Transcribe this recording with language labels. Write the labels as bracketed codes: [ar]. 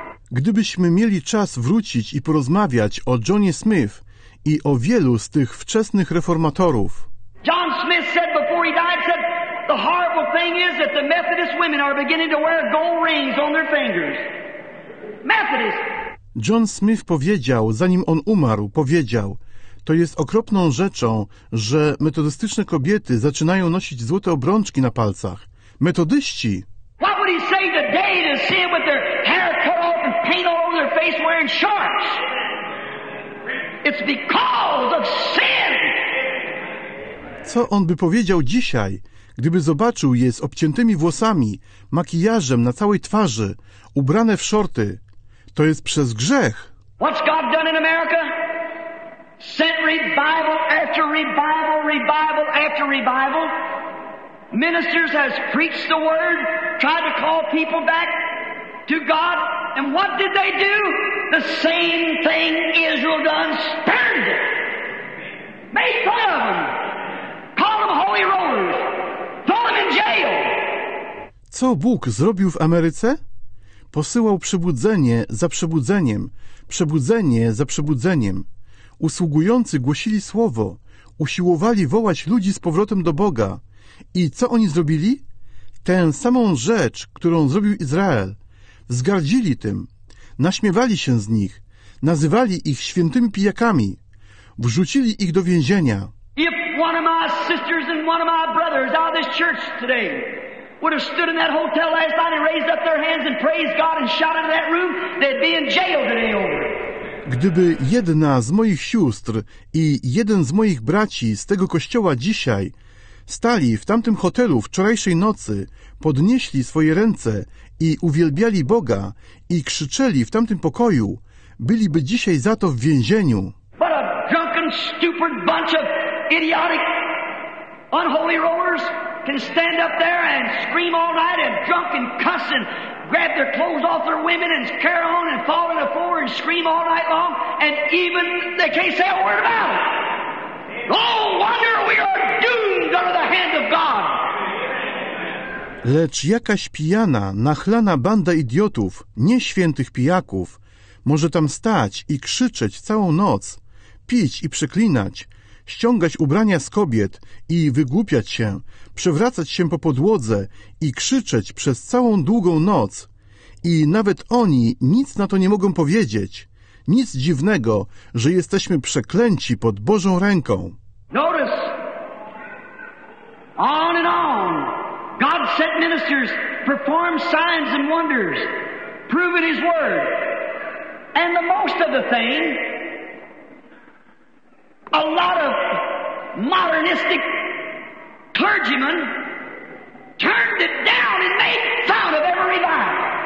[pl] Gdybyśmy mieli czas wrócić i porozmawiać o Johnie Smith i o wielu z tych wczesnych reformatorów. [en] John Smith said before he died, said, the horrible thing is that the Methodist women are beginning to wear gold rings on their fingers. Methodist. [pl] John Smith powiedział, zanim on umarł, powiedział, to jest okropną rzeczą, że metodystyczne kobiety zaczynają nosić złote obrączki na palcach. Metodyści! [en] What would he say today to see it with their hair cut off? face wearing shorts. It's because of sin. [pl] Co on by powiedział dzisiaj, gdyby zobaczył je z obciętymi włosami, makijażem na całej twarzy, ubrane w szorty? To jest przez grzech. [en] What's God done in America? Sent revival after revival, revival after revival. Ministers has preached the word, tried to call people back to God. And what did they do? The same thing Israel done, spurned it. Made fun of them. Call them holy rollers. Throw them in jail. [pl] Co Bóg zrobił w Ameryce? Posyłał przebudzenie za przebudzeniem, przebudzenie za przebudzeniem. Usługujący głosili słowo, usiłowali wołać ludzi z powrotem do Boga. I co oni zrobili? Tę samą rzecz, którą zrobił Izrael. Wzgardzili tym, naśmiewali się z nich, nazywali ich świętymi pijakami, wrzucili ich do więzienia. [en] If one of my sisters and one of my brothers out of this church today would have stood in that hotel last night and raised up their hands and praised God and shouted in that room, they'd be in jail today over. [pl] Gdyby jedna z moich sióstr i jeden z moich braci z tego kościoła dzisiaj stali w tamtym hotelu wczorajszej nocy, podnieśli swoje ręce i uwielbiali Boga i krzyczeli w tamtym pokoju, byliby dzisiaj za to w więzieniu. [en] What a drunken, stupid bunch of idiotic, unholy rollers can stand up there and scream all night and drunk and cuss and grab their clothes off their women and carry on and fall on the floor and scream all night long and even they can't say a word about it. No wonder we are doomed under the hand of God. [pl] Lecz jakaś pijana, nachlana banda idiotów, nieświętych pijaków, może tam stać i krzyczeć całą noc, pić i przeklinać, ściągać ubrania z kobiet i wygłupiać się, przewracać się po podłodze i krzyczeć przez całą długą noc. I nawet oni nic na to nie mogą powiedzieć. Nic dziwnego, że jesteśmy przeklęci pod Bożą ręką. [en] Notice. On and on. God sent ministers, perform signs and wonders, proving his word. And the most of the thing, a lot of modernistic clergymen turned it down and made fun of every revival.